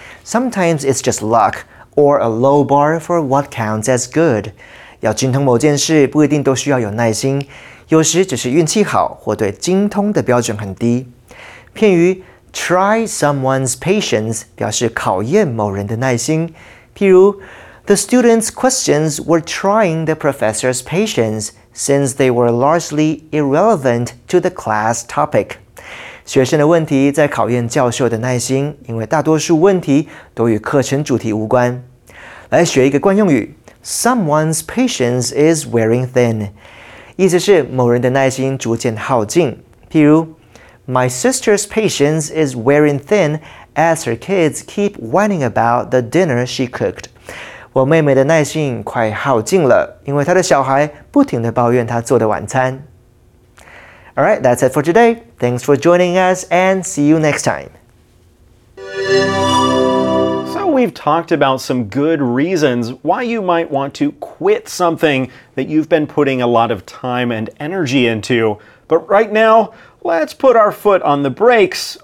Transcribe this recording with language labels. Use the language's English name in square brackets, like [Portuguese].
[English] Sometimes it's just luck or a low bar for what counts as good. [Chinese] 要精通某件事不一定都需要有耐心，有时只是运气好或对精通的标准很低。 [English] 片语 try someone's patience 表示考验某人的耐心，譬如 The students' questions were trying the professor's patience since they were largely irrelevant to the class topic. [Chinese] 学生的问题在考验教授的耐心，因为大多数问题都与课程主题无关。来学一个惯用语 ， someone's patience is wearing thin，意思是某人的耐心逐渐耗尽。 [English] 譬如，My sister's patience is wearing thin as her kids keep whining about the dinner she cooked。 [Chinese] 我妹妹的耐心快耗尽了，因为她的小孩不停地抱怨她做的晚餐。 [English] All right, that's it for today. Thanks for joining us and see you next time. So we've talked about some good reasons why you might want to quit something that you've been putting a lot of time and energy into. But right now, let's put our foot on the brakes.